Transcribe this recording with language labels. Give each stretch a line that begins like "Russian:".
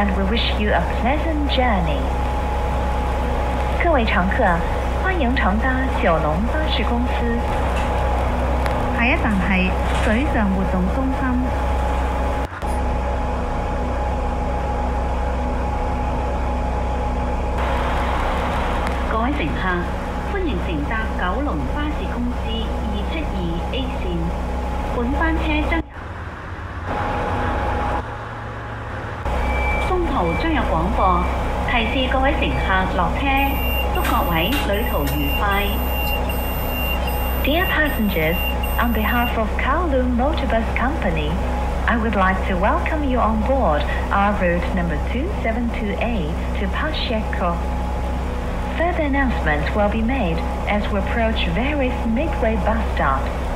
English: Wish you a pleasant journey.
Chinese: 各位乘客，欢迎乘搭九龙巴士公司。下一站是水上活动中心。各位乘客，欢迎乘搭九龙巴士公司272A 线，本班车将。将有广播提示各位乘客落车，祝各位旅途愉快。
English: Dear passengers, on behalf of Kowloon Motorbus Company, I would like to welcome you on board our route number 272A to Pasheco. Further announcements will be made as we approach various midway bus stops.